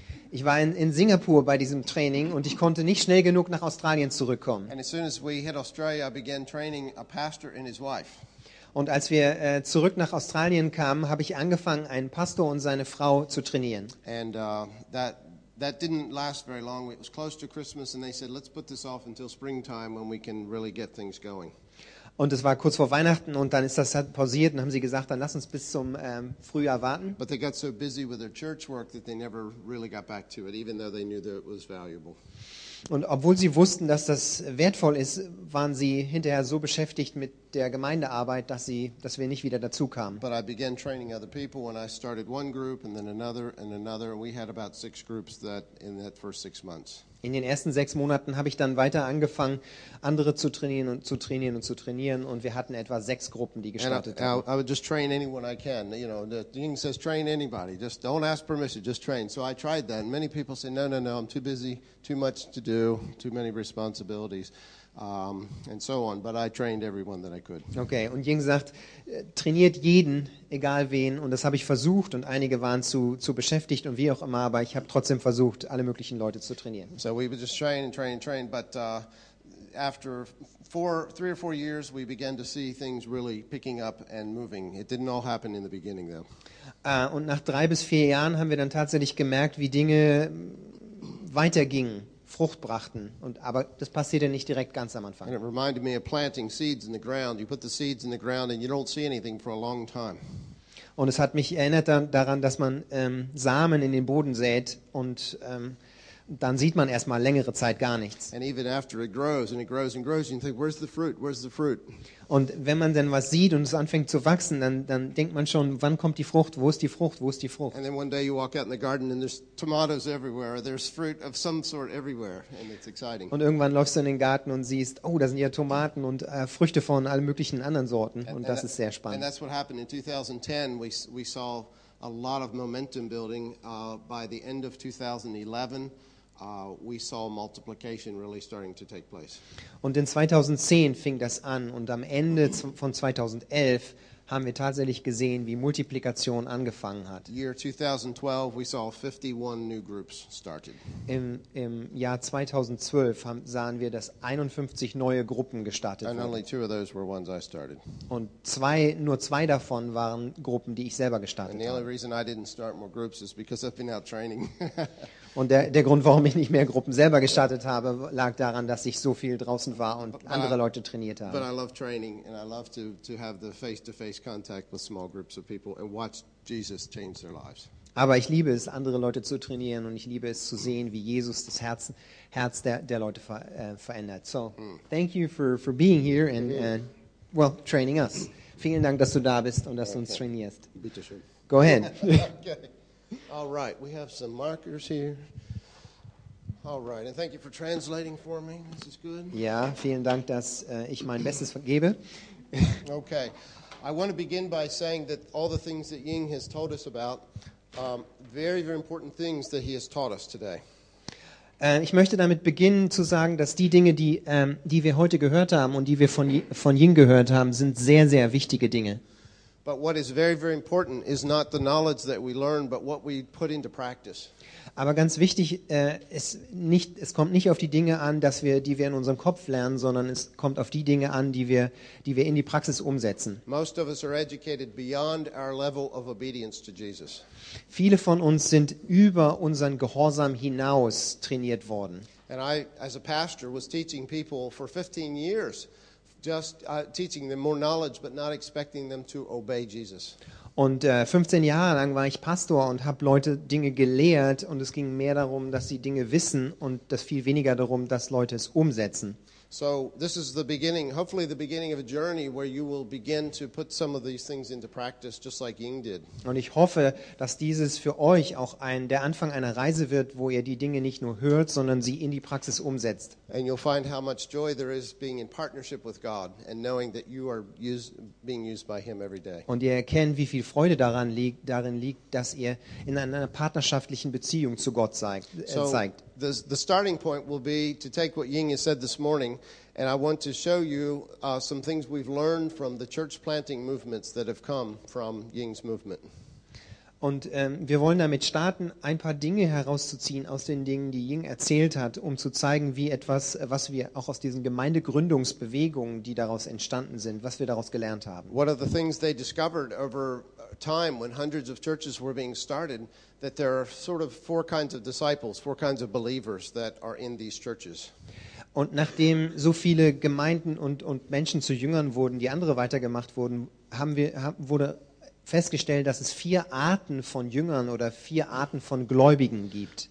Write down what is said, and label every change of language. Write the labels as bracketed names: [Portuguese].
[German] Ich war in Singapur bei diesem Training und ich konnte nicht schnell genug nach Australien zurückkommen. [English] And as soon as we hit Australia, I began training a pastor and his wife. [German] Und als wir zurück nach Australien kamen, habe ich angefangen, einen Pastor und seine Frau zu trainieren. [English] And that didn't last very long. It was close to Christmas and they said, let's put this off until springtime when we can really get things going. [German] Und es war kurz vor Weihnachten und dann ist das pausiert und haben sie gesagt, dann lass uns bis zum Frühjahr warten. [English] But they got so busy with their church work that they never really got back to it, even though they knew that it was valuable. [German] Und obwohl sie wussten, dass das wertvoll ist, waren sie hinterher so beschäftigt mit der Gemeindearbeit, dass wir nicht wieder dazu kamen. [English] But I began training other people when I started one group and then another and another. We had about 6 groups that in that first 6 months. [German] In den ersten 6 Monaten habe ich dann weiter angefangen, andere zu trainieren und zu trainieren und zu trainieren. Und wir hatten etwa 6 Gruppen, die gestartet haben. [English] I would just train anyone I can. You know, the thing says train anybody. Just don't ask permission, just train. So I tried that. And many people say, no, I'm too busy, too much to do, too many responsibilities. And so on, but I trained everyone that I could. [German] Okay, und Ying sagt, trainiert jeden, egal wen, und das habe ich versucht, und einige waren zu beschäftigt und wie auch immer, aber ich habe trotzdem versucht, alle möglichen Leute zu trainieren. [English] So we would just train and train and train, but after 3 or 4 years, we began to see things really picking up and moving. It didn't all happen in the beginning, though. [German] Und nach 3 bis 4 Jahren haben wir dann tatsächlich gemerkt, wie Dinge weitergingen. Frucht brachten, aber das passierte nicht direkt ganz am Anfang. [English] And it reminded me of planting seeds in the ground. You put the seeds in the ground and you don't see anything for a long time. [German] Und es hat mich erinnert daran, dass man Samen in den Boden sät und dann sieht man erstmal längere Zeit gar nichts. [English] And even after it grows and it grows and grows, you think, where's the fruit? Where's the fruit? [German] Und wenn man dann was sieht und es anfängt zu wachsen, dann denkt man schon, wann kommt die Frucht? Wo ist die Frucht? Wo ist die Frucht? [English] And then one day you walk out in the garden and there's tomatoes everywhere, or there's fruit of some sort everywhere, and it's exciting. [German] Und irgendwann läufst du in den Garten und siehst, oh, da sind ja Tomaten und Früchte von allen möglichen anderen Sorten, und das ist sehr spannend. [English] And that's what happened in 2010. We saw a lot of momentum building. By the end of 2011. We saw multiplication really starting to take place. [German] Und in 2010 fing das an und am Ende von 2011 haben wir tatsächlich gesehen, wie Multiplikation angefangen hat. [English] Year 2012 we saw 51 new groups started. [German] Im Jahr 2012 sahen wir, dass 51 neue Gruppen gestartet [English] and [German] wurden. [English] Only 2 of those were ones I started. [German] Und nur zwei davon waren Gruppen, die ich selber gestartet habe. [English] And the only reason I didn't start more groups is because I've been out training. [German] Und der Grund, warum ich nicht mehr Gruppen selber gestartet habe, lag daran, dass ich so viel draußen war und andere Leute trainiert habe. [English] But I love training and I love to have the face-to-face contact with small groups of people and watch Jesus change their lives. [German] Aber ich liebe es, andere Leute zu trainieren und ich liebe es zu sehen, wie Jesus das Herz der Leute verändert. [English] So, thank you for being here and well, training us. [German] Vielen Dank, dass du da bist und dass du uns trainierst. Bitte schön. [English] Go ahead. Okay. All right, we have some markers here. All right, and thank you for translating for me. This is good. [German] Ja, vielen Dank, dass ich mein Bestes gebe. [English] Okay, I want to begin by saying that all the things that Ying has told us about, very, very important things that he has taught us today. [German] Ich möchte damit beginnen zu sagen, dass die Dinge, die wir heute gehört haben und die wir von Ying gehört haben, sind sehr, sehr wichtige Dinge. [English] But what is very, very important is not the knowledge that we learn, but what we put into practice. [German] Aber ganz wichtig ist nicht, es kommt nicht auf die Dinge an, die wir in unserem Kopf lernen, sondern es kommt auf die Dinge an, die wir in die Praxis umsetzen. [English] Most of us are educated beyond our level of obedience to Jesus. [German] Viele von uns sind über unseren Gehorsam hinaus trainiert worden. [English] And I, as a pastor, was teaching people for 15 years. Just teaching them more knowledge, but not expecting them to obey Jesus. [German] Und 15 Jahre lang war ich Pastor und habe Leute Dinge gelehrt und es ging mehr darum, dass sie Dinge wissen und das viel weniger darum, dass Leute es umsetzen. [English] So this is the beginning, hopefully the beginning of a journey where you will begin to put some of these things into practice just like Ying did. [German] Und ich hoffe, dass dieses für euch auch der Anfang einer Reise wird, wo ihr die Dinge nicht nur hört, sondern sie in die Praxis umsetzt. [English] And you'll find how much joy there is being in partnership with God and knowing that you are being used by him every day. [German] Und ihr erkennt, wie viel Freude darin liegt, dass ihr in einer partnerschaftlichen Beziehung zu Gott zeigt. [English] The starting point will be to take what Ying has said this morning, and I want to show you some things we've learned from the church planting movements that have come from Ying's movement. [German] Und wir wollen damit starten, ein paar Dinge herauszuziehen aus den Dingen, die Ying erzählt hat, um zu zeigen, wie etwas, was wir auch aus diesen Gemeindegründungsbewegungen, die daraus entstanden sind, was wir daraus gelernt haben. [English] What are the things they discovered over time when hundreds of churches were being started, that there are sort of four kinds of disciples, four kinds of believers that are in these churches. [German] Und nachdem so viele Gemeinden und Menschen zu Jüngern wurden, die andere weitergemacht wurden, wurde festgestellt, dass es vier Arten von Jüngern oder vier Arten von Gläubigen gibt.